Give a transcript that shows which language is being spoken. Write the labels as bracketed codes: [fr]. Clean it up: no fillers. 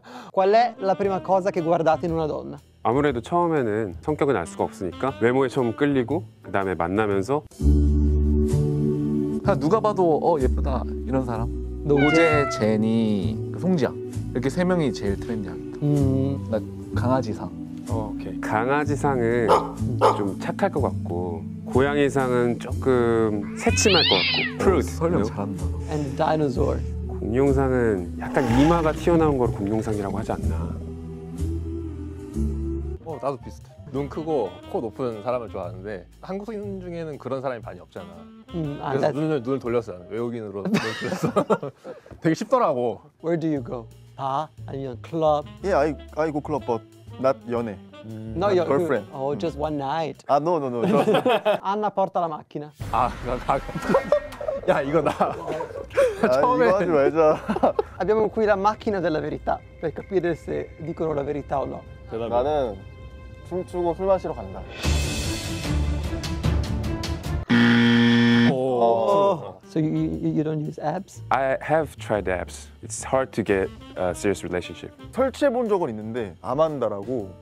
[it] qual è la prima cosa che guardate in una donna? [ko] 아무래도 처음에는 성격은 알 수가 없으니까 외모에 처음 끌리고 그다음에 만나면서 누가 봐도 예쁘다 이런 사람. 노제, 제니, 송지아 이렇게 세 명이 제일 트렌디한. 나 강아지상. 오케이. 강아지상은 좀 착할 것 같고 고양이상은 조금 새침할 것 같고 프루트 설명 잘한다 [en] And dinosaur [ko] 공룡상은 약간 이마가 튀어나온 걸 공룡상이라고 하지 않나 나도 비슷해 눈 크고 코 높은 사람을 좋아하는데 한국인 중에는 그런 사람이 많이 없잖아 그래서 눈을 돌렸어 외국인으로 눈을 돌렸어 되게 쉽더라고 [en] Where do you go? [ko] 바? 아니면 클럽? [en] Yeah, I go club, but Not [ko] 연애, [en] no, not girlfriend. Oh, just one night. Ah, no. Just... [it] Anna porta la macchina. [ko] Ah, 야 이거 나. 처음에 이거 하지 말자. [it] Abbiamo qui la macchina della verità per capire se dicono la verità o no. [ko] 나는 춤추고 술 마시러 간다. [en] So you don't use apps? I have tried apps. It's hard to get a serious relationship. [ko] 설치해본 적은 있는데 아만다라고.